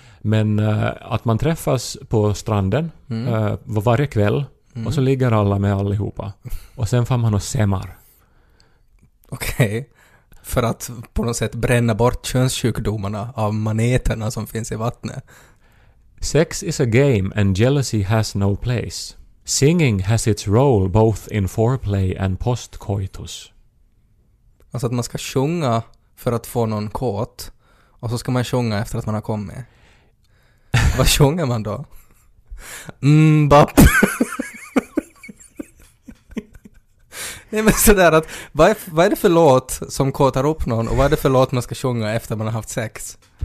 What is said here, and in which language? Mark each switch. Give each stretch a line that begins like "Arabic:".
Swedish: Men att man träffas på stranden varje kväll och så ligger alla med allihopa. Och sen får man och semar. Okej, okay. För att på något sätt bränna bort könssjukdomarna av maneterna som finns i vattnet.
English: Sex is a game and jealousy has no place. Singing has its role both in foreplay and postcoitus.
Swedish: Alltså att man ska sjunga för att få någon kåt och så ska man sjunga efter att man har kommit. Vad sjunger man då? Mbapp. Nej, men sådär att, vad är det för låt som kåtar upp någon och vad är det för låt man ska sjunga efter man har haft sex?